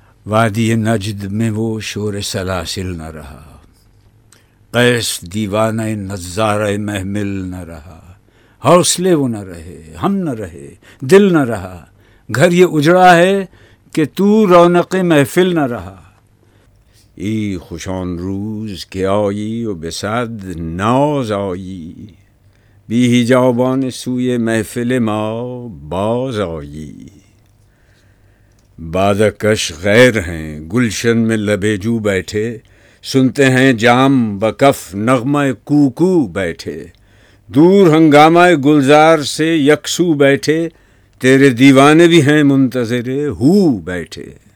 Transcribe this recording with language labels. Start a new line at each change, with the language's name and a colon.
Urdu: وادی نجد میں وہ شور سلاسل نہ رہا، قیس دیوانہ نظارہ محمل نہ رہا، حوصلے وہ نہ رہے، ہم نہ رہے، دل نہ رہا، گھر یہ اجڑا ہے کہ تو رونق محفل نہ رہا۔
Persian: ای خوشان روز که آیی و به صد ناز آیی، بی حجابان سوی محفل ما باز آیی.
Urdu: بادکش غیر ہیں گلشن میں لبے جو بیٹھے، سنتے ہیں جام بکف نغمہ کوکو بیٹھے، دور ہنگامہ گلزار سے یکسو بیٹھے، تیرے دیوانے بھی ہیں منتظرے ہو بیٹھے.